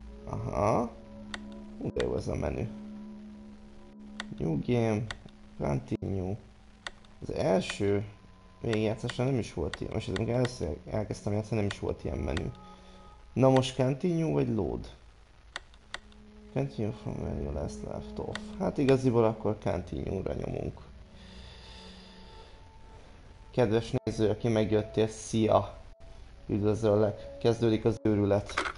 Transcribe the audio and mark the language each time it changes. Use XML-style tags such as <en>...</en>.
<hu>Aha. De jó ez a menü.</hu> <en>New game. Continue.</en> <hu>Az első végigjátszásra nem is volt ilyen. Most amikor először elkezdtem játszani, nem is volt ilyen menü. Na most continue vagy load?</hu> <en>Continue from where you last left off.</en> <hu>Hát igaziból akkor continue-ra nyomunk. Kedves néző, aki megjöttél, szia! Üdvözöllek! Kezdődik az őrület.</hu>